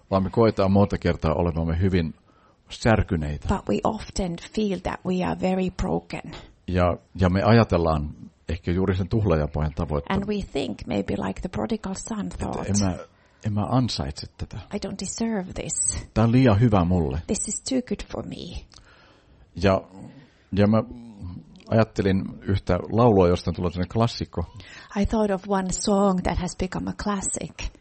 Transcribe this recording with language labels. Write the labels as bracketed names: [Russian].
[Finnish] Vaan me koetaan monta kertaa olevamme hyvin särkyneitä. [English] But we often feel that we are very broken. [Finnish] Ja me ajatellaan ehkä juuri sen tuhlajapojan tavoin. [English] And we think maybe like the prodigal son thought. [Finnish] En mä ansaitse tätä. [English] I don't deserve this. [Finnish] Tämä on liian hyvä mulle. [English] This is too good for me. [Finnish] Ja mä ajattelin yhtä laulua, josta on tullut klassikko. [English] I thought of one song that has become a classic.